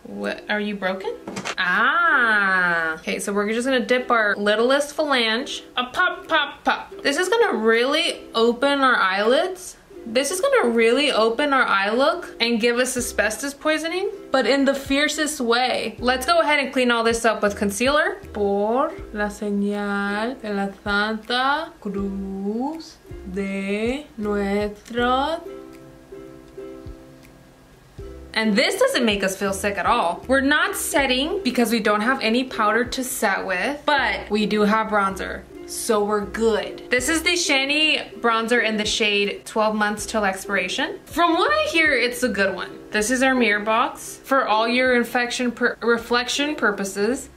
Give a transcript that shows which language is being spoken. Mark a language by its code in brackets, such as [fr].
[en] What, are you broken? Okay, so we're just gonna dip our littlest phalange. A pop, pop, pop. This is gonna really open our eyelids. This is gonna really open our eye look and give us asbestos poisoning, but in the fiercest way. Let's go ahead and clean all this up with concealer. [es] Por la señal de la Santa Cruz de nuestro. [en] And this doesn't make us feel sick at all. We're not setting because we don't have any powder to set with, but we do have bronzer. So we're good. This is the Shani bronzer in the shade 12 months till expiration. From what I hear, it's a good one. This is our mirror box for all your reflection purposes.